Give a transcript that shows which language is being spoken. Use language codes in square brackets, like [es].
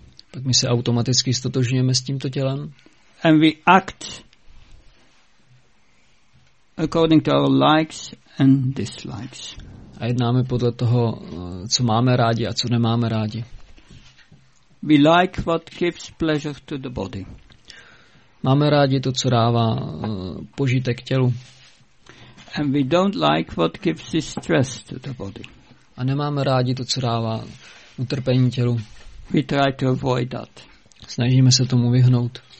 [cs] Tak my se automaticky stotožňujeme s tímto tělem. [en] And we act according to our likes and dislikes. [cs] A jednáme podle toho, co máme rádi a co nemáme rádi. [en] We like what gives pleasure to the body. [cs] Máme rádi to, co dává požitek tělu. [en] And we don't like what gives distress to the body. [cs] A nemáme rádi to, co dává utrpení tělu. [en] We try to avoid that. [cs] Snažíme se tomu vyhnout.